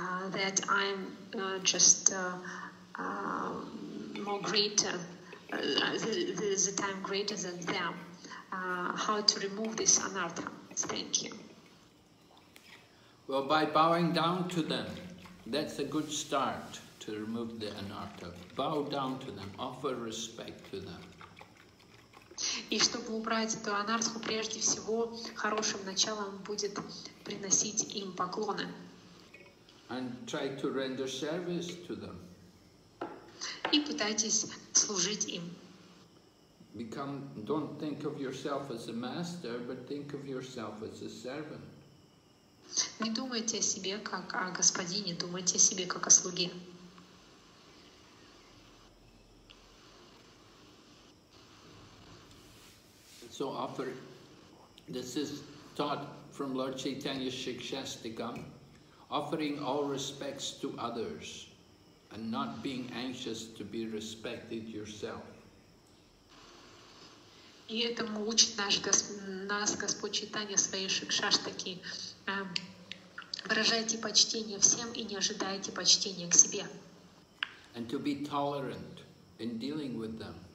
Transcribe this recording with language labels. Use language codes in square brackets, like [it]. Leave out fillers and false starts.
[en] That I'm just more greater, the time greater than them. How to remove this anartha? Thank you. Well, by bowing down to them, that's a good start to remove the anartha. Bow down to them, offer respect to them. [ru] И чтобы убрать эту анартху, прежде всего, хорошим началом будет приносить им поклоны. [en] And try to render service to them. [ru] И пытайтесь служить им. [en] Become, don't think of yourself as a master, but think of yourself as a servant. [ru] Не думайте о себе как о господине, думайте о себе как о слуге. [en] So offer, this is taught from Lord Chaitanya Shikshastikam, offering all respects to others and not being anxious to be respected yourself. [ru] И этому учит нас Господь Чайтанья своей Шикшаштаки. Выражайте почтение всем и не ожидайте почтения к себе. [en] And to be tolerant in dealing with them.